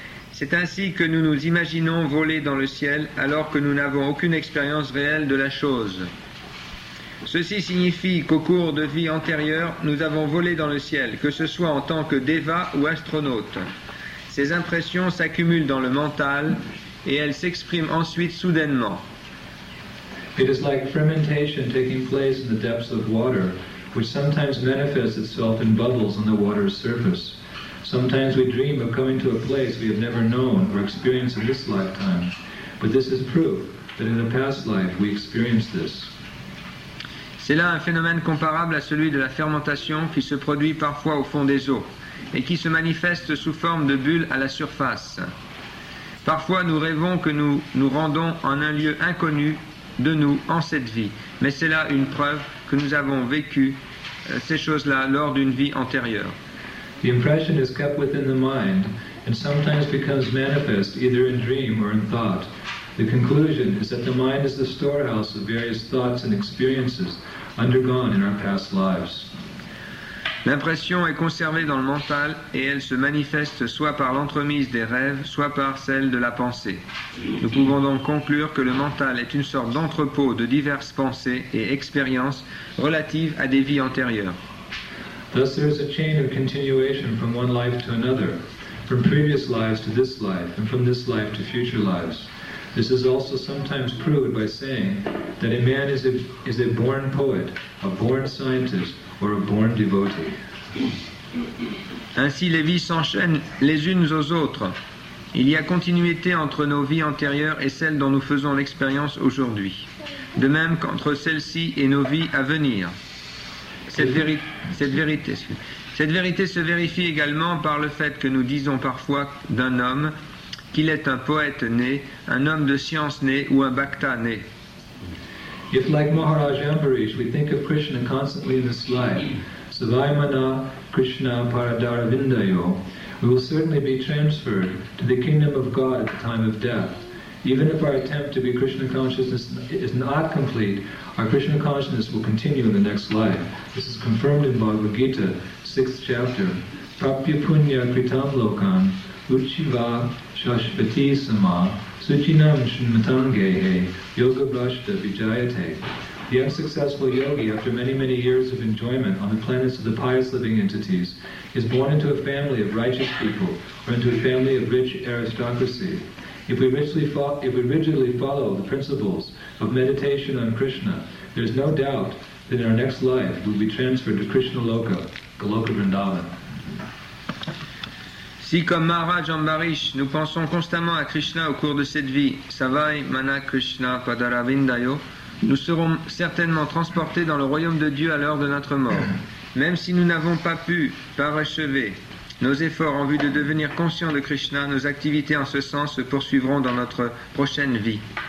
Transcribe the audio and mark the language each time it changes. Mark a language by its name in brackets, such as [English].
[French] C'est ainsi que nous nous imaginons voler dans le ciel alors que nous n'avons aucune expérience réelle de la chose. Ceci signifie qu'au cours de vie antérieure, nous avons volé dans le ciel, que ce soit en tant que déva ou astronaute. Ces impressions s'accumulent dans le mental et elles s'expriment ensuite soudainement. [English] It is like fermentation taking place in the depths of water, which sometimes manifests itself in bubbles on the water's surface. Sometimes we dream of coming to a place we have never known or experienced in this lifetime, but this is proof that in a past life we experienced this. [French] C'est là un phénomène comparable à celui de la fermentation qui se produit parfois au fond des eaux et qui se manifeste sous forme de bulles à la surface. Parfois nous rêvons que nous nous rendons en un lieu inconnu de nous en cette vie, mais c'est là une preuve que nous avons vécu ces choses-là lors d'une vie antérieure. [English] The impression is kept within the mind and sometimes becomes manifest either in dream or in thought. The conclusion is that the mind is the storehouse of various thoughts and experiences undergone in our past lives. [French] L'impression est conservée dans le mental et elle se manifeste soit par l'entremise des rêves, soit par celle de la pensée. Nous pouvons donc conclure que le mental est une sorte d'entrepôt de diverses pensées et expériences relatives à des vies antérieures. [English] Thus there is a chain of continuation from one life to another, from previous lives to this life, and from this life to future lives. This is also sometimes proved by saying that a man is a born poet, a born scientist, or a born devotee. [French] Ainsi, les vies s'enchaînent les unes aux autres. Il y a continuité entre nos vies antérieures et celles dont nous faisons l'expérience aujourd'hui, de même qu'entre celles-ci et nos vies à venir. Cette vérité se vérifie également par le fait que nous disons parfois d'un homme qu'il est un poète né, un homme de science né ou un bhakta né. [English] If like Maharaj Ambarish, we think of Krishna constantly in this life, [Sanskrit] Savaimana Krishna Paradaravindayo, [English] we will certainly be transferred to the kingdom of God at the time of death. Even if our attempt to be Krishna consciousness is not complete, our Krishna consciousness will continue in the next life. This is confirmed in Bhagavad Gita, 6th chapter. [Sanskrit] Prapya punya kritam lokam uchiva shashvati sama. Suchinam shunmatangehe yoga brashta vijayate. [English] The unsuccessful yogi, after many, many years of enjoyment on the planets of the pious living entities, is born into a family of righteous people or into a family of rich aristocracy. If we rigidly follow the principles of meditation on Krishna, there's no doubt that in our next life we'll be transferred to Krishna Loka, Goloka Vrindavan. [French] Si comme Maharaj Ambarish, nous pensons constamment à Krishna au cours de cette vie, [Sanskrit] Savai Mana Krishna Padaravindayo, [French] nous serons certainement transportés dans le royaume de Dieu à l'heure de notre mort. Même si nous n'avons pas pu parachever nos efforts en vue de devenir conscients de Krishna, nos activités en ce sens se poursuivront dans notre prochaine vie.